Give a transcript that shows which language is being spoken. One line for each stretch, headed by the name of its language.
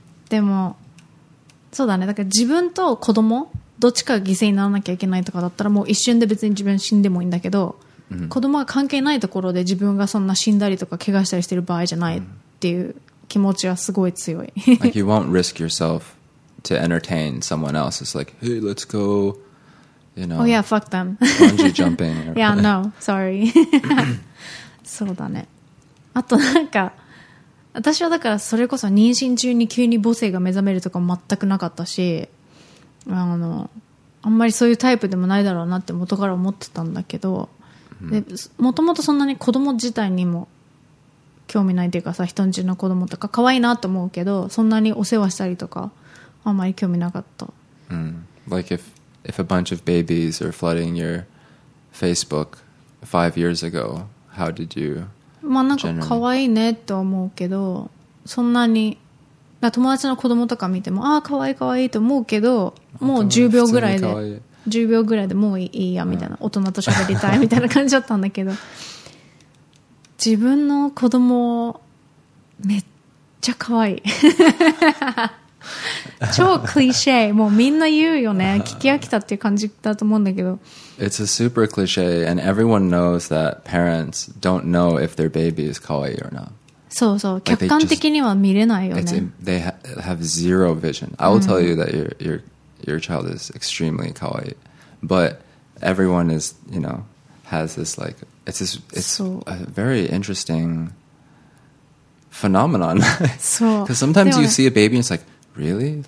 Japanese: でもそうだね、だから自分と子供どっちかが犠牲にならなきゃいけないとかだったらもう一瞬で別に自分死んでもいいんだけど、子供が関係ないところで自分がそんな死んだりとか怪我したりしてる場合じゃないっていう気持ちはすごい強い。
English: Like you won't risk yourself to entertain someone else. It's like, hey, let's go, you know. Oh yeah, fuck them. Bungee jumping. Yeah, no, sorry.
Japanese: そうだね。あとなんか私はだからそれこそ妊娠中に急に母性が目覚めるとか全くなかったし、あんまりそういうタイプでもないだろうなって元から思ってたんだけど、もともとそんなに子供自体にも興味ないというかさ、人んちの子供とか可愛いなと思うけど、そんなにお世話したりとかあんまり興味なかった。
English: Like if a bunch of babies are flooding your Facebook 5 years ago, how did you?
Japanese: まあなんか可愛いねって思うけど、そんなに友達の子供とか見てもああ可愛い可愛いと思うけど、もう10秒ぐらいでもういいやみたいな、大人と喋りたいみたいな感じだったんだけど、自分の子供めっちゃ可愛い。超クリシェ、もうみんな言うよね、聞き飽きたっていう感じだと思うんだけど、
English: It's a super cliche and everyone knows that parents don't know if their baby is 可愛い or not.
Japanese: そうそう、客観的には見れないよね。
English: They have zero vision. I will tell you that your child is extremely 可愛い、 but everyone is, you know, has this like, it's a very interesting phenomenon.
Japanese: そう、
English: because sometimes you see a baby and it's likeReally?